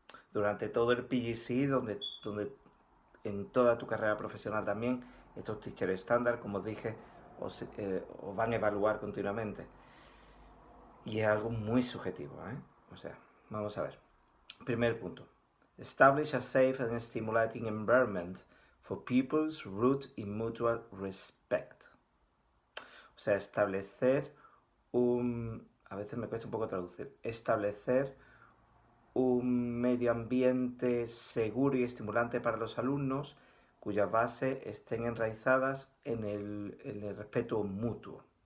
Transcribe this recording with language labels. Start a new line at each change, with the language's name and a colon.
Spanish: Durante todo el PGC, donde en toda tu carrera profesional también, estos teacher estándar, como os dije, os van a evaluar continuamente. Y es algo muy subjetivo, ¿eh? O sea, vamos a ver. Primer punto.
English: Establish a safe and stimulating environment for pupils rooted in mutual respect.
Spanish: Sea, establecer un... A veces me cuesta un poco traducir. Establecer un medio ambiente seguro y estimulante para los alumnos cuyas bases estén enraizadas en el respeto mutuo.